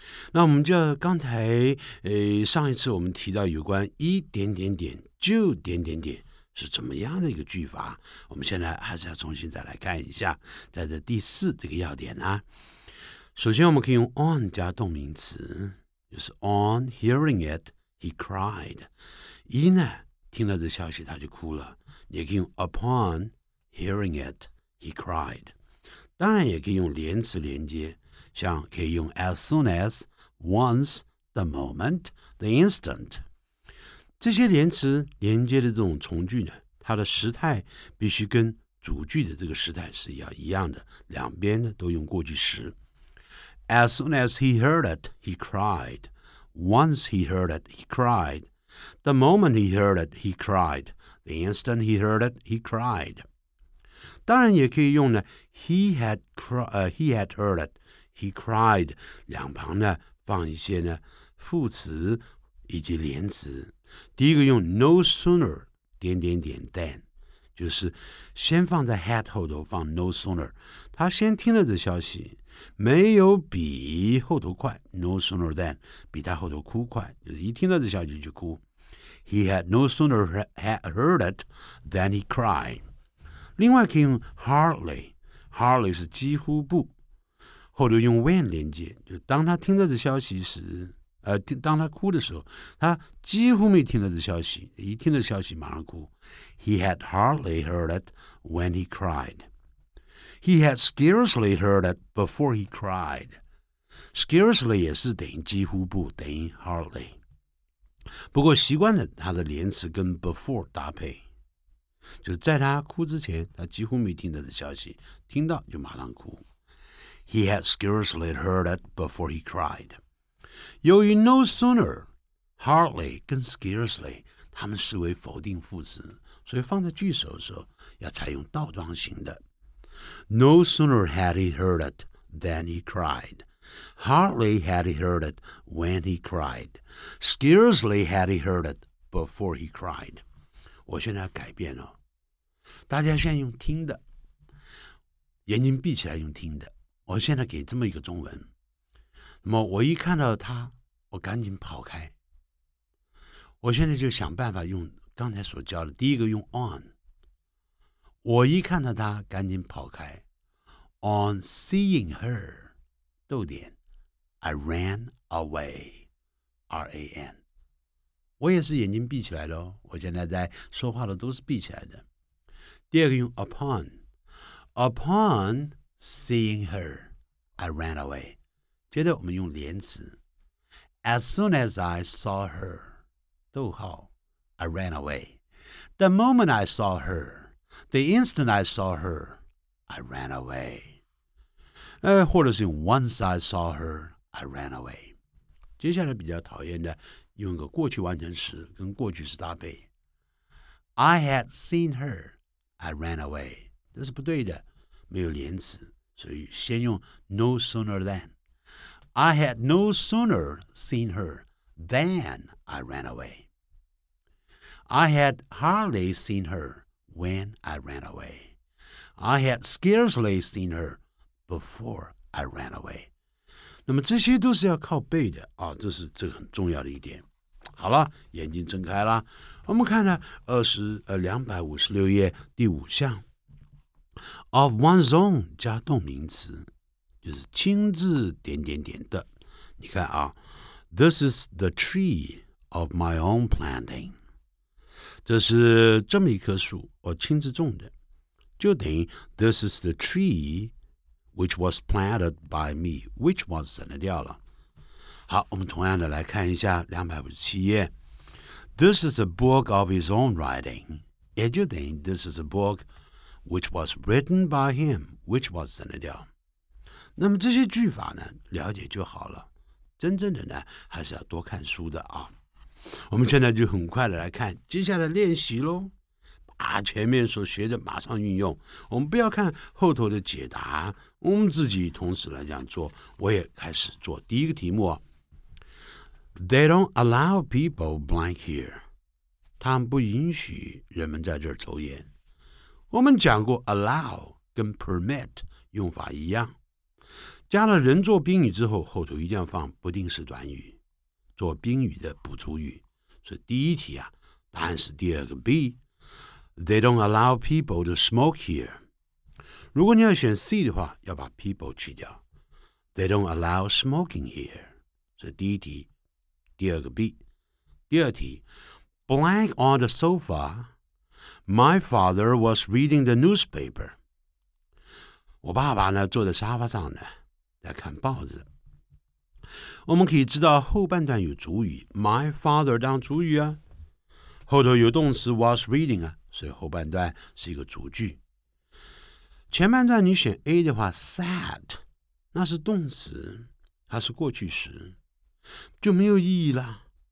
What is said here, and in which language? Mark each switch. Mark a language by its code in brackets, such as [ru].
[zh] 那我们就刚才，上一次我们提到有关一点点点就点点点是怎么样的一个句法，我们现在还是要重新再来看一下，在这第四这个要点呢、啊。首先，我们可以用 on 加动名词。就是 [en] on hearing it, he cried. [zh] 一呢，听了这消息他就哭了。你也可以用 [en] upon hearing it, he cried. [zh] 当然也可以用连词连接，像可以用 as soon as, once, the moment, the instant. 这些连词连接的这种从句呢，它的时态必须跟主句的这个时态是要一样的，两边呢都用过去时。 [en] As soon as he heard it, he cried. Once he heard it, he cried. The moment he heard it, he cried. The instant he heard it, he cried. [zh] 当然也可以用呢 [en] he had heard it, he cried. [zh] 两旁呢放一些呢副词以及连词。第一个用 no sooner, 点点点 than, 就是先放在 had 后头放 no sooner. 他先听了这消息。没有比后头快 [en] No sooner than [zh] 比他后头哭快，就是一听到这消息就哭。 [en] He had no sooner heard it than he cried. [zh] 另外可以用 hardly, hardly 是几乎不，后头用 when 连接，就当他听到这消息时，当他哭的时候，他几乎没听到这消息，一听到消息马上哭。 [en] He had hardly heard it when he cried. He had scarcely heard it before he cried. [zh] Scarcely 也是等于几乎不，等于 hardly. 不过习惯了他的连词跟 before 搭配，就是在他哭之前，他几乎没听到的消息，听到就马上哭。 [en] He had scarcely heard it before he cried. [zh] 由于 no sooner, hardly 跟 scarcely 他们视为否定副词，所以放在句首的时候要采用倒装型的。 [en] No sooner had he heard it than he cried. Hardly had he heard it when he cried. Scarcely had he heard it before he cried. [zh] 我现在要改变了，大家现在用听的，眼睛闭起来用听的。我现在给这么一个中文，那么我一看到他，我赶紧跑开。我现在就想办法用刚才所教的，第一个用 on。我一看到他赶紧跑开 [en] On seeing her [zh] 逗点 [en] I ran away [zh] R-A-N 我也是眼睛闭起来的哦，我现在在说话的都是闭起来的。第二个用 [en] upon Upon seeing her I ran away [zh] 接着我们用连词 [en] As soon as I saw her [zh] 逗号 [en] I ran away The moment I saw herThe instant I saw her, I ran away. 或者是 once I saw her, I ran away. [zh] 接下来比较讨厌的，用个过去完成时跟过去时搭配。 [en] I had seen her, I ran away. [zh] 这是不对的，没有连词，所以先用 no sooner than. [en] I had no sooner seen her than I ran away. I had hardly seen her. When I ran away, I had scarcely seen her before I ran away. [zh] 那么这些都是要靠背的啊，这个很重要的一点。好了，眼睛睁开了，我们看呢256页第五项 ，of one's own 加动名词，就是亲自点点点的。你看啊 [en] ，this is the tree of my own planting. [zh] 这是这么一棵树我亲自种的，就等于 [en] This is the tree which was planted by me, [zh] which was 省得掉了。好，我们同样的来看一下257页。 [en] This is a book of his own writing, [zh] 也就等于 [en] This is a book which was written by him, which was [zh] 省得掉。那么这些句法呢，了解就好了，真正的呢，还是要多看书的啊。我们现在就很快的来看接下来练习咯，把前面所学的马上运用，我们不要看后头的解答，我们自己同时来讲做，我也开始做第一个题目。 [en] They don't allow people blank here. [zh] 他们不允许人们在这儿抽烟。我们讲过 allow 跟 permit 用法一样。加了人做宾语之后，后头一定要放不定式短语，做宾语的补充语。所以第一题啊，答案是第二个 B。 [en] They don't allow people to smoke here. [zh] 如果你要选 C 的话，要把 people 去掉。 [en] They don't allow smoking here. [zh] 所以第一题，第二个 B。第二题 [en] ，Blank on the sofa. My father was reading the newspaper. [zh] 我爸爸呢，坐在沙发上呢。来看报纸。我们可以知道后半段有主语 my father 当主语啊，后头有动词 was reading 啊，所以后半段是一个主句。前半段你选 A 的话 sat 那是动词，它是过去时，就没有意义了。